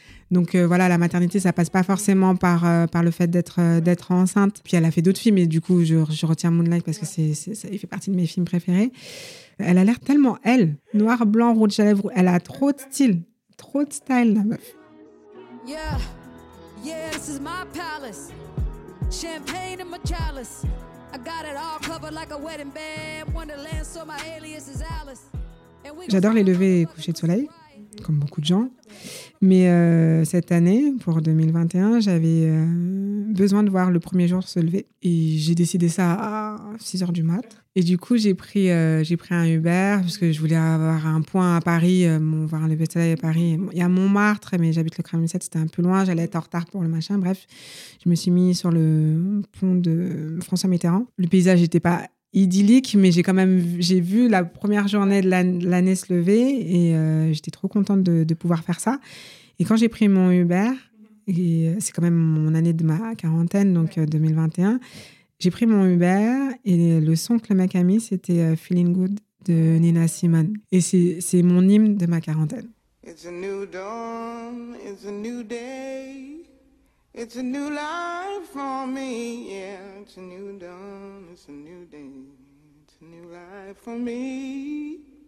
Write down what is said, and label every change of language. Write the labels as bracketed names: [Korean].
[French] Donc voilà, la maternité, ça passe pas forcément par le fait d'être enceinte. Puis elle a fait d'autres films, et du coup, je retiens Moonlight parce que ça fait partie de mes films préférés. Elle a l'air tellement elle, noir, blanc, rouge à lèvres, elle a trop de style, la meuf. [English] Yeah, yeah, this is my palace. Champagne in my chalice. I got it all covered like a wedding band. Wonderland, so my alias is Alice. [French] J'adore les levers et couchers de soleil, comme beaucoup de gens. Mais cette année, pour 2021, j'avais besoin de voir le premier jour se lever. Et j'ai décidé ça à 6h du mat. Et du coup, j'ai pris un Uber, parce que je voulais avoir un point à Paris, voir un lever de soleil à Paris. Il y a Montmartre, mais j'habite le Kremlin 7, c'était un peu loin. J'allais être en retard pour le machin. Bref, je me suis mis sur le pont de François Mitterrand. Le paysage n'était pas idyllique, mais j'ai vu la première journée de l'année se lever et j'étais trop contente de pouvoir faire ça. Et quand j'ai pris mon Uber, et c'est quand même mon année de ma quarantaine, donc 2021, j'ai pris mon Uber et le son que le mec a mis, c'était Feeling Good de Nina Simone. Et c'est mon hymne de ma quarantaine. [English] It's a new dawn, it's a new day, it's a new life for me, yeah. It's a new dawn, it's a new day, it's a new life for me.